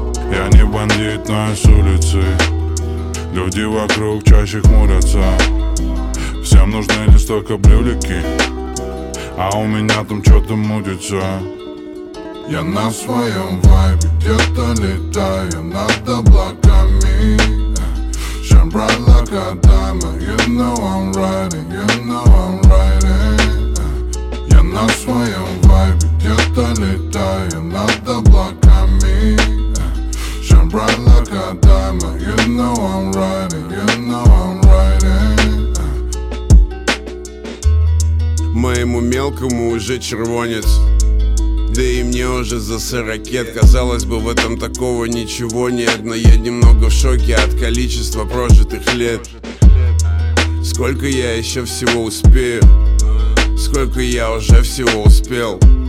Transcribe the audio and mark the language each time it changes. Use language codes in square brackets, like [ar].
[ru] Я не бандит, но я с улицы. Люди вокруг чаще хмурятся, всем нужны лишь только брюлики, а у меня там что-то мутится. Я на своем вайбе, где-то летаю над облаками. [en] Shine bright like a diamond, you know I'm riding, you know I'm riding. [ru] Я на своем вайбе, где-то летаю над облаками. [en] Shine bright like a diamond, you know I'm riding, you know I'm riding. [ru] Моему мелкому уже червонец, да и мне уже за 40 лет. Казалось бы, в этом такого ничего нет, но я немного в шоке от количества прожитых лет. Сколько я еще всего успею? Сколько я уже всего успел?